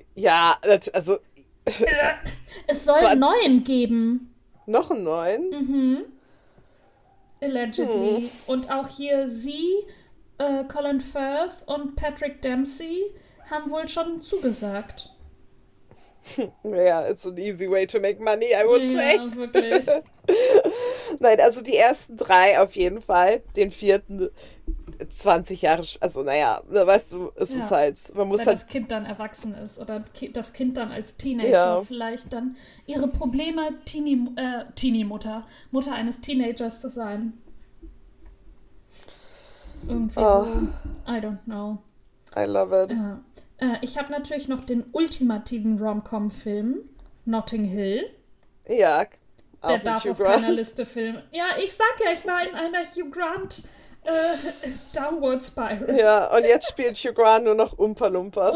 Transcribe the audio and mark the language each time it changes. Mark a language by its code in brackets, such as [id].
[de] Ja, also... Es soll einen neuen geben. Noch einen neuen? [en] Allegedly. [de] Und auch hier sie, Colin Firth und Patrick Dempsey haben wohl schon zugesagt. [en] Ja, yeah, it's an easy way to make money, I would say. [de] Wirklich. Nein, also die ersten drei auf jeden Fall, den vierten 20 Jahre, also naja, weißt du, es ist halt, man muss Wenn das Kind dann erwachsen ist oder das Kind dann als Teenager vielleicht dann ihre Probleme, Teenie-Mutter, Mutter eines Teenagers zu sein. Irgendwie so, [en] I don't know. I love it. [de] Ja. Ich habe natürlich noch den ultimativen Rom-Com-Film Notting Hill. Ja, auch der darf Hugh Grant. Auf keiner Liste filmen. Ja, ich sag ja, ich war in einer Hugh Grant Downward Spiral. Ja, und jetzt spielt Hugh Grant nur noch Oompa Loompas.